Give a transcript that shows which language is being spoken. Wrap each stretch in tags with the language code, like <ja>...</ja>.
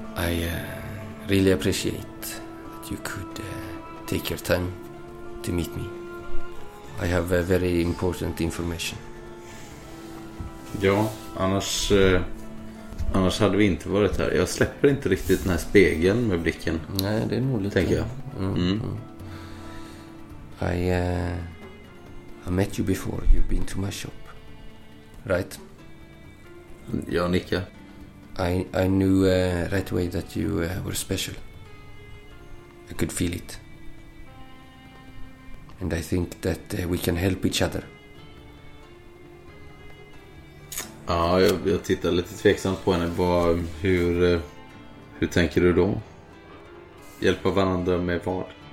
<en>I really appreciate that you could take your time to meet me. I have a very important information.</en> <sv>Ja, annars hade vi inte varit här. Jag släpper inte riktigt den här spegeln med blicken. Nej, det är nog lite. Tänker jag.</sv> <en>I met you before. You've been to my shop. Right?</en> <sv>Ja, nickar.</sv> <en>I knew right away that you were special. I could feel it. And I think that we can help each other.</en> <sv>Ja, jag tittar lite tveksamt på henne. Hur tänker du då? Hjälpa varandra med vad?</sv>